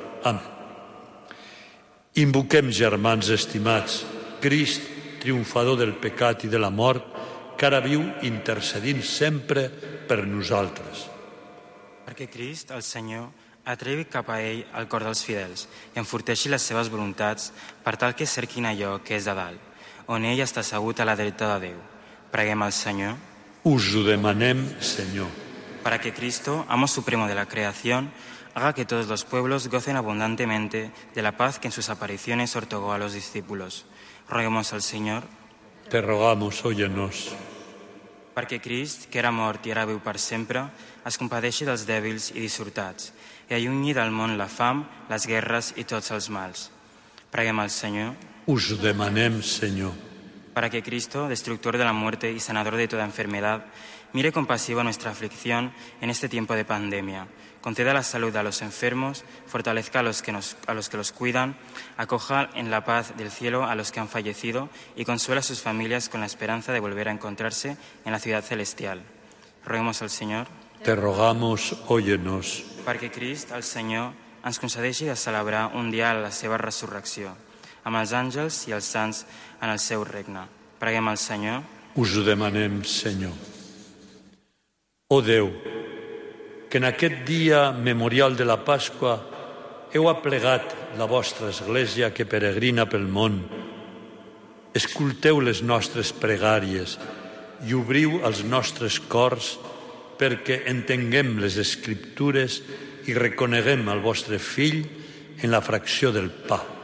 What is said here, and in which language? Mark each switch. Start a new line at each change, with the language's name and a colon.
Catalan: Amén. Invoquem, germans estimats, Crist, triomfador del pecat i de la mort, que ara viu intercedint sempre per nosaltres. Perquè Crist, el Senyor, atrevi cap a ell el cor dels fidels i enforteixi les seves voluntats per tal que cerquin allò que és de dalt, on ell està assegut a la dreta de Déu. Preguem al Senyor. Us ho demanem, Senyor.
Spanish: Para que Cristo, amo supremo de la creación, haga que todos los pueblos gocen abundantemente de la paz que en sus apariciones otorgó a los discípulos. Roguemos al Señor. Te rogamos, óyenos. Para que
Catalan: Crist, que era mort i ara viu per sempre, es compadeixi dels dèbils i dissortats i allunyi del món la fam, les guerres i tots els mals. Preguem al Senyor. Us ho demanem, Senyor.
Spanish: Para que Cristo, destructor de la muerte y sanador de toda enfermedad, mire compasivo a nuestra aflicción en este tiempo de pandemia. Conceda la salud a los enfermos, fortalezca a los que los cuidan, acoja en la paz del cielo a los que han fallecido y consuela a sus familias con la esperanza de volver a encontrarse en la ciudad celestial. Roguemos al Señor. Te rogamos, óyenos. Para que Cristo, el Señor,
Catalan: ens concedeixi de celebrar un día la seva resurrecció amb els àngels i els sants en el seu regne. Preguem al Senyor. Us ho demanem, Senyor. O Déu, que en aquest dia memorial de la Pasqua heu aplegat la vostra Església que peregrina pel món, escolteu les nostres pregàries i obriu els nostres cors perquè entenguem les Escriptures i reconeguem el vostre Fill en la fracció del pa.